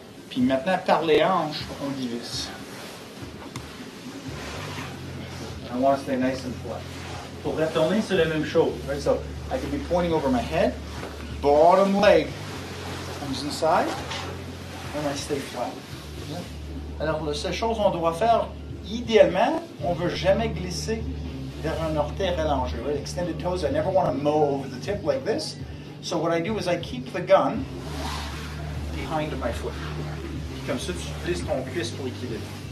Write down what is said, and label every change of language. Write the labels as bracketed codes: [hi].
[fr] Puis maintenant, par les hanches, on divise. [en] I want to stay nice and flat. [fr] Pour retourner, c'est la même chose. [en] Right, so I can be pointing over my head. Bottom leg comes inside and I stay flat. [fr] Alors, la seule chose qu'on doit faire, idéalement, on ne veut jamais glisser vers un orteil allongé. [en] Right? Extended toes, I never want to mow over the tip like this. So what I do is I keep the gun behind my foot. [fr] Comme ça, tu glisses ton cuisse pour l'équilibre.